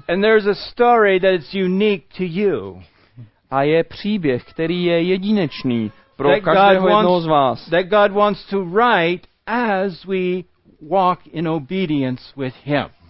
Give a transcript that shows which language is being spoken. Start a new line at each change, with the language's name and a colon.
English: And there's a story that is unique to you.
Czech: A je příběh, který je jedinečný pro každého jednoho z vás.
English: That God wants to write as we walk in obedience with him.